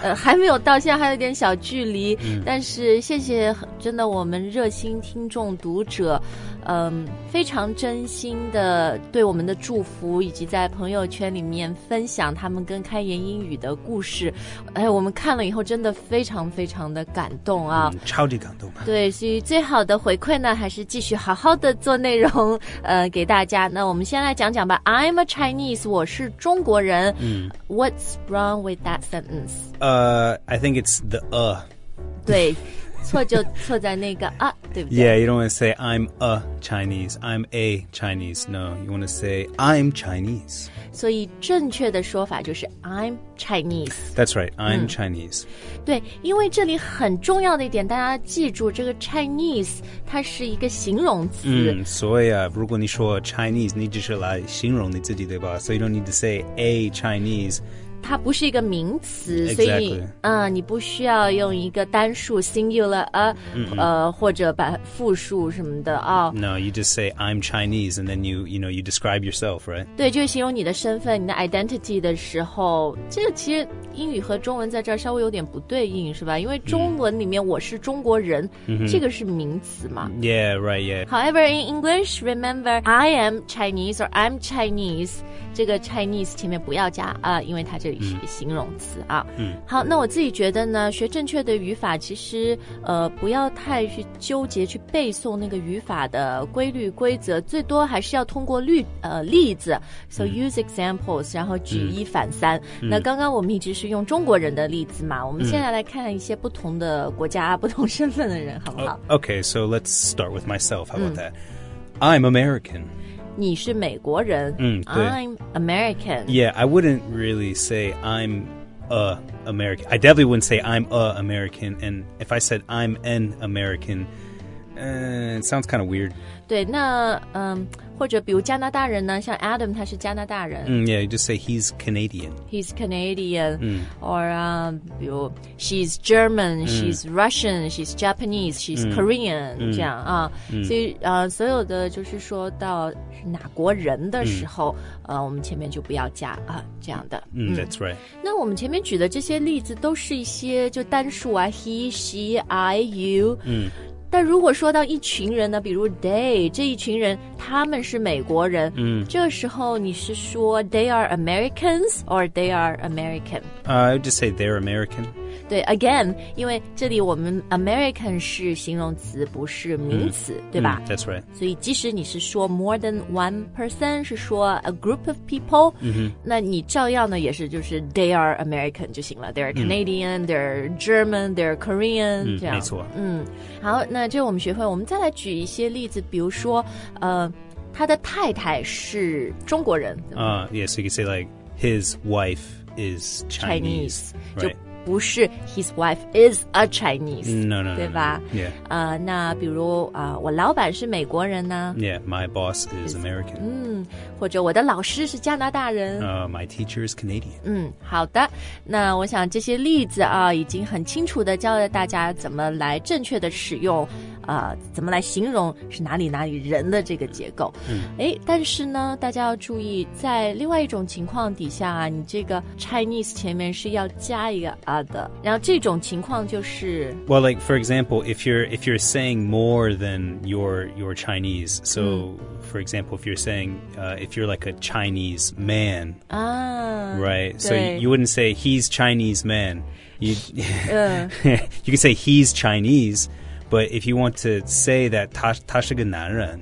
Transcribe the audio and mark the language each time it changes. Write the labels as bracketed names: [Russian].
[Chinese] 还没有到，现在还有点小距离、但是谢谢真的我们热心听众读者非常真心的对我们的祝福，以及在朋友圈里面分享他们跟开言英语的故事，我们看了以后真的非常非常的感动啊、超级感动吧。对，所以最好的回馈呢还是继续好好的做内容给大家。那我们先来讲讲吧， I'm a Chinese, 我是中国人。 [English] What's wrong with that sentence? I think it's the [Chinese] 对，错就错在那个对不对？ [English] Yeah, you don't want to say I'm a Chinese, I'm a Chinese. No, you want to say I'm Chinese. [Chinese] 所以正确的说法就是 I'm Chinese. [English] That's right, I'm Chinese. [Chinese] 对，因为这里很重要的一点，大家记住这个 Chinese, 它是一个形容词。所以啊，如果你说 Chinese, 你只是来形容你自己，对吧？ [English] So you don't need to say a Chinese. [Chinese] 它不是一个名词、 [English] exactly. [Chinese] 所以你不需要用一个单数 singular, 或者把复数什么的啊、 [English] No, you just say I'm Chinese and then you know, you describe yourself, right? [Chinese] 对，就是形容你的身份，你的 identity 的时候，这个其实英语和中文在这儿稍微有点不对应，是吧？因为中文里面我是中国人、这个是名词嘛。 [English] Yeah, right, yeah. [Chinese] However, in English, remember, I am Chinese or I'm Chinese, 这个 Chinese 前面不要加啊、因为它这里是一个形容词啊。好，那我自己觉得呢，学正确的语法其实不要太去纠结去背诵那个语法的规律规则，最多还是要通过例子 so use examples, 然后举一反三。那刚刚我们一直是用中国人的例子嘛，我们现在来看一些不同的国家不同身份的人好不好、 [English] Okay, so let's start with myself, how about that? I'm American. [Chinese] 你是美国人、 I'm American. [English] Yeah, I wouldn't really say I'm a American. I definitely wouldn't say I'm a American. And if I said I'm an American, it sounds kind of weird. [Chinese] 对，那或者比如加拿大人呢，像 Adam 他是加拿大人。 [English] Yeah, you just say he's Canadian. He's Canadian. Or 比如 she's German, she's Russian, she's Japanese, she's Korean, 这样啊。 [Chinese] 所以所有的就是说到哪国人的时候我们前面就不要加这样的。 [English] That's right. [Chinese] 那我们前面举的这些例子都是一些就单数啊 he, she, I, you。但如果说到一群人呢，比如 they 这一群人，他们是美国人。 [English] 这时候你是说 they are Americans or they are American? I would just say they're American. [Chinese] 对 ， again，因为这里我们 American 是形容词，不是名词，对吧 [English] ？That's right. [Chinese] 所以即使你是说 more than one person，是说 a group of people，那你照样呢也是就是 they are American 就行了。 They're Canadian,they're German, they're Korean，这样。没错。好。那这我们学会，我们再来举一些例子，比如说，他的太太是中国人。 [English] Yes, you can say like his wife is Chinese, Chinese、 right. [Chinese] 就 [English] 不是 his wife is a Chinese. No. [Chinese] 对吧 [English] Yeah. [Chinese] 那比如我老板是美国人呢 [English] Yeah, my boss is American. [Chinese] 或者我的老师是加拿大人。 [English] My teacher is Canadian. [Chinese] 好的。那我想这些例子已经很清楚地教了大家怎么来正确地使用怎么来形容是哪里哪里人的这个结构。但是呢大家要注意在另外一种情况底下你这个 Chinese 前面是要加一个 other。然后这种情况就是。 [English] Well, like, for example, if you're saying more than your Chinese, so,for example, if you're saying, if you're like a Chinese man,right? So you wouldn't say he's Chinese man. You could say he's Chinese,But if you want to say that 他是个男人